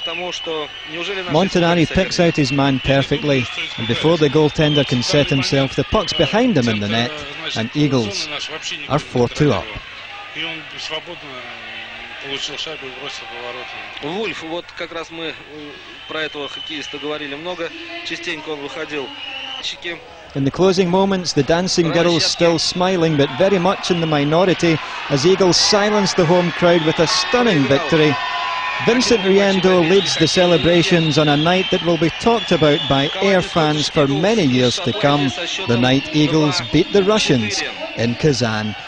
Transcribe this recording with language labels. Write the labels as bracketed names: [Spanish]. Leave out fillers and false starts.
[English] Montanari picks out his man perfectly, and before the goaltender can set himself, the puck's behind him in the net, and Eagles are 4-2 up. [Russian] И он свободно получил шайбу и бросил по воротам. Вульф, вот как раз мы про этого хоккеиста говорили много. Частенько он выходил. [English] In the closing moments, the dancing girls still smiling, but very much in the minority, as Eagles silence the home crowd with a stunning victory. Vincent Riendo leads the celebrations on a night that will be talked about by Air fans for many years to come, the night Eagles beat the Russians in Kazan.